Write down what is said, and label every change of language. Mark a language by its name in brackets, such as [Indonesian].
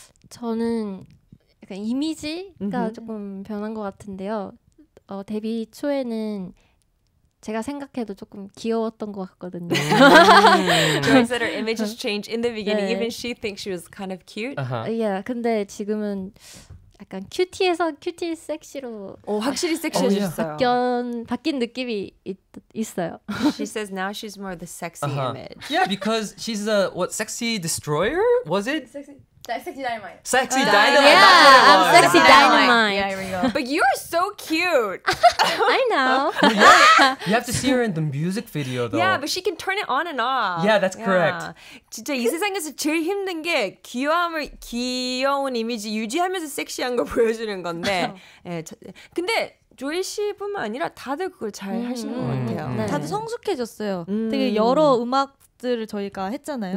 [Korean] 저는 약간 이미지가 조금 변한 것 같은데요. 데뷔 초에는 제가 생각해도 조금 귀여웠던 것 같거든요. [English] Consider her image has changed in the beginning. [Korean] 네. [English] Even she thinks she was kind of cute. Uh-huh. Yeah, [Korean] 근데 지금은 약간 큐티에서 큐티 섹시로 확실히 섹시해졌어요. 바뀐 느낌이 있어요. [English] She says now she's more the sexy image. Yeah, because she's a what, sexy destroyer? Was it? Sexy dynamite. Sexy dynamite. Yeah, I'm sexy dynamite. Yeah, here we go. But you are so cute. I know. You have to see her in the music video, though. Yeah, but she can turn it on and off. Yeah, that's correct. [Korean] 진짜 이 세상에서 제일 힘든 게 귀여움을 귀여운 이미지 유지하면서 섹시한 거 보여주는 건데. 근데 조이 씨뿐만 아니라 다들 그걸 잘 하시는 것 같아요. 다들 성숙해졌어요. 되게 여러 음악 저희가 했잖아요.